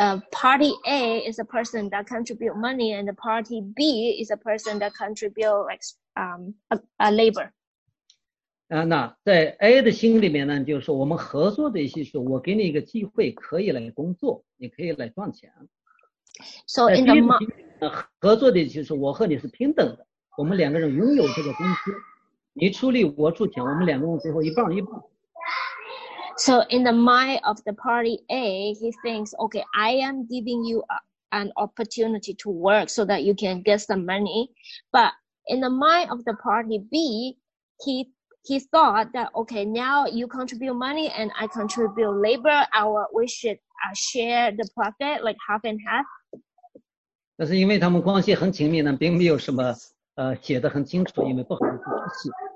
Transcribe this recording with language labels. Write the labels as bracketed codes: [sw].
[en] Party A is a person that contribute money, and the Party B is a person that contribute labor. [zh] 那在 A 的心里面呢，就是我们合作的意思是，我给你一个机会，可以来工作，你可以来赚钱。 [en] So in the mind, [zh] 合作的意思是，我和你是平等的，我们两个人拥有这个公司，你出力，我出钱，我们两个人最后一半一半。 [en] So in the mind of the Party A, he thinks, okay, I am giving you an opportunity to work so that you can get some money. But in the mind of the Party B, he thought that, okay, now you contribute money and I contribute labor. We should share the profit like half and half. [zh] 但是因为他们关系很亲密呢，并没有什么写得很清楚，因为不好意思出气。